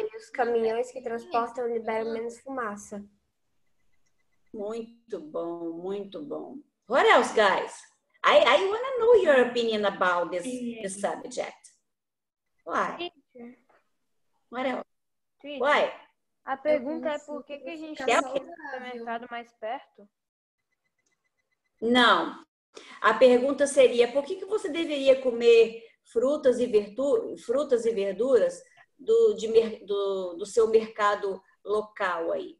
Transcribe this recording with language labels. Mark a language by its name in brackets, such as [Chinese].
[Portuguese] E os caminhões que transportam liberam menos fumaça. Muito bom, muito bom. [English] What else, guys? I want to know your opinion about this subject. Why? What else? Why? [Portuguese] A pergunta é por que a gente não tem um supermercado mais perto? Não. A pergunta seria por que você deveria comer frutas e verduras do seu mercado local aí?